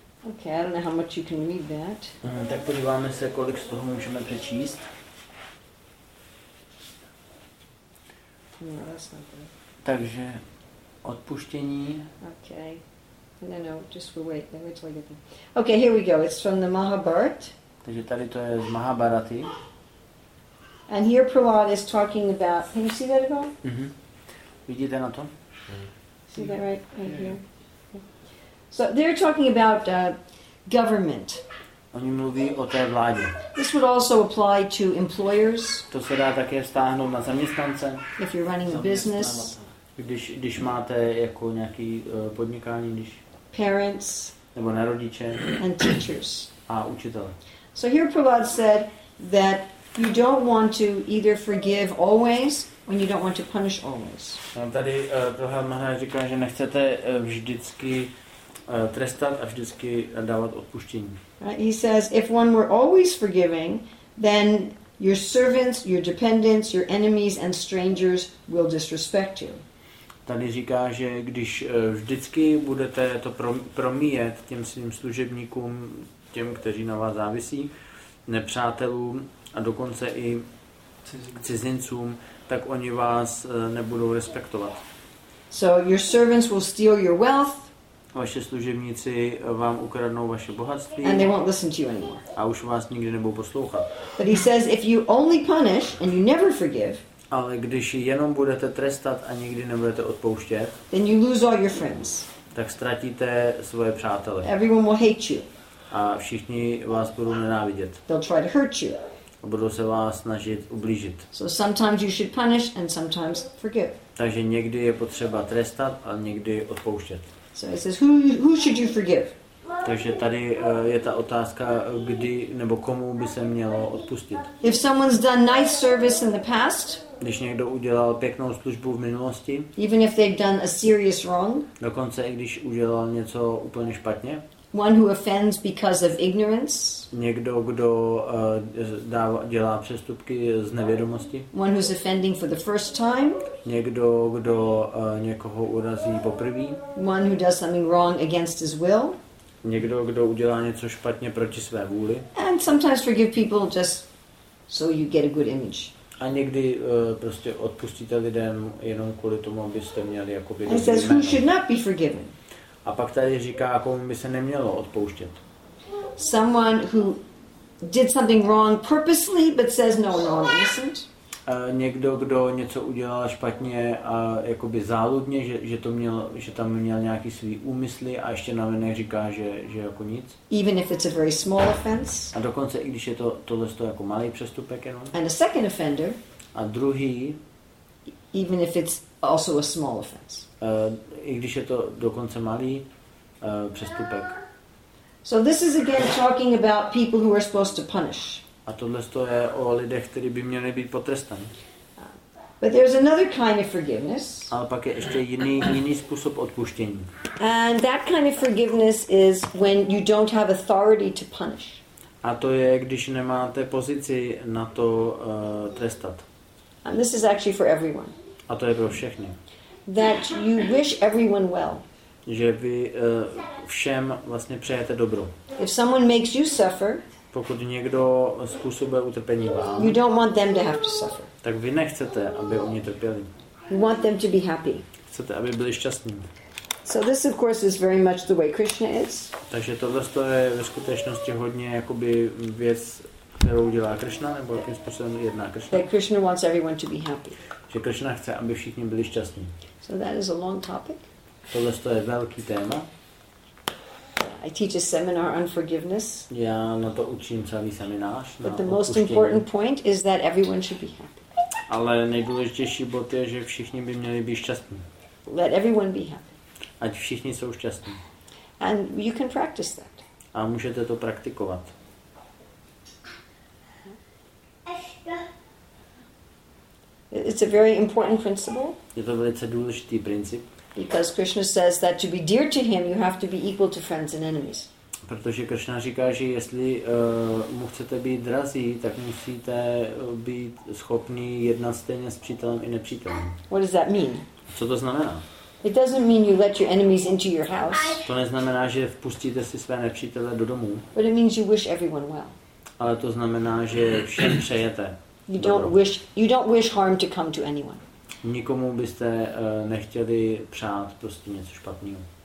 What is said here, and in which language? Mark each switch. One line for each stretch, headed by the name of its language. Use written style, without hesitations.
English: Okay, I don't know how much you can read that.
Czech: Tak podíváme se, kolik z toho můžeme přečíst. Takže odpuštění.
English: Okay. No, just we'll wait. Let me tell you. Okay, here we go. It's from the Mahabharat.
Czech: Takže tady to je z Mahabharaty.
English: And here Prahlad is talking about. Can you see that at all?
Czech: Mhm. Vidíte na to?
English: See that right here? So they're talking about government.
Czech: Oni mluví o té vládě.
English: This would also apply to employers.
Czech: To se dá také stáhnout na zaměstnance.
English: If you're running a business.
Czech: Když máte jako nějaký podnikání, když
English: parents
Czech: nebo na rodiče
English: and teachers
Czech: a učitele.
English: So here Prahlad said that you don't want to either forgive always when you don't want to punish always.
Czech: Tady Prahlad Maharaj říká, že nechcete vždycky trestat a vždycky dávat odpuštění.
English: He says if one were always forgiving, then your servants, your dependents, your enemies and strangers will disrespect you.
Czech: Tady říká, že když vždycky budete to promíjet těm svým služebníkům, těm, kteří na vás závisí, nepřátelům a dokonce i cizincům, tak oni vás nebudou respektovat.
English: So your servants will steal your wealth.
Czech: Vaši služebníci vám ukradnou vaše bohatství.
English: And they won't listen to you anymore.
Czech: A už vás nikdy nebudou poslouchat.
English: But he says if you only punish and you never forgive,
Czech: ale když jenom budete trestat a nikdy nebudete odpouštět,
English: then you lose all your friends.
Czech: Tak ztratíte svoje přátele.
English: Everyone will hate you.
Czech: A všichni vás budou nenávidět.
English: They'll try to hurt you.
Czech: A budou se vás snažit ublížit.
English: So sometimes you should punish and sometimes forgive.
Czech: Takže někdy je potřeba trestat a někdy odpouštět.
English: So it says, who should you forgive?
Czech: Takže tady je ta otázka, kdy nebo komu by se mělo odpustit.
English: If someone's done nice service in the past,
Czech: když někdo udělal pěknou službu v minulosti,
English: even if they've done a serious wrong,
Czech: dokonce i když udělal něco úplně špatně,
English: one who offends because of ignorance,
Czech: někdo, kdo dělá přestupky z nevědomosti,
English: one who's offending for the first time,
Czech: někdo, kdo někoho urazí poprvé,
English: one who does something wrong against his will,
Czech: někdo, kdo udělá něco špatně proti své vůli.
English: And sometimes forgive people just so you get a good image.
Czech: A někdy prostě odpustíte lidem jenom kvůli tomu, abyste měli jako by.
English: He says who should not be forgiven.
Czech: A pak tady říká, komu by se nemělo odpouštět.
English: Someone who did something wrong purposely, but says no, no, I'm innocent.
Czech: Někdo, kdo něco udělal špatně a jakoby záludně, že to měl, že tam měl nějaký svý úmysly a ještě na venek říká, že jako nic.
English: Even if it's a very small offense.
Czech: A dokonce i když je to tohle to jako malý přestupek jenom.
English: And a second offender.
Czech: A druhý.
English: Even if it's also a small offense.
Czech: I když je to dokonce malý přestupek.
English: So this is again talking about people who are supposed to punish.
Czech: A tohle to je o lidech, kteří by měli být potrestaní.
English: But there's another kind of forgiveness.
Czech: Ale pak je ještě jiný způsob odpuštění.
English: And that kind of forgiveness is when you don't have authority to punish.
Czech: A to je, když nemáte pozici na to trestat.
English: And this is actually for everyone.
Czech: A to je pro všechny.
English: That you wish everyone well.
Czech: Že vy všem vlastně přejete dobro.
English: If someone makes you suffer,
Czech: pokud někdo způsobuje utrpení vám,
English: you don't want them to have to suffer.
Czech: Tak vy nechcete, aby oni trpěli.
English: You want them to be happy.
Czech: Chcete, aby byli šťastní.
English: So this of course is very much the way Krishna is.
Czech: Takže tohle je ve skutečnosti hodně jakoby věc, kterou dělá Krishna, nebo jakým způsobem jedná Krishna.
English: That Krishna wants everyone to be happy.
Czech: Že Krishna chce, aby všichni byli šťastní.
English: So that is a long topic.
Czech: Tohle je velký téma.
English: I teach a seminar on forgiveness.
Czech: Já na to učím celý seminář.
English: But the most important point is that everyone should be happy.
Czech: Ale nejdůležitější bod je, že všichni by měli být šťastní.
English: Let everyone be happy.
Czech: Ať všichni jsou šťastní.
English: And you can practice that.
Czech: A můžete to praktikovat.
English: It's a very important principle.
Czech: Je to velice důležitý princip.
English: Because Krishna says that to be dear to him, you have to be equal to friends and enemies.
Czech: Protože Krishna říká, že jestli mu chcete být drazí, tak musíte být schopní jednat stejně s přítelem i nepřítelem.
English: What does that mean?
Czech: Co to znamená?
English: It doesn't mean you let your enemies into your house.
Czech: To neznamená, že vpustíte si své nepřítele do domu.
English: But it means you wish everyone well.
Czech: Ale to znamená, že všem přejete.
English: You don't wish harm to come to anyone.
Czech: Nikomu byste nechtěli přát prostě něco špatného.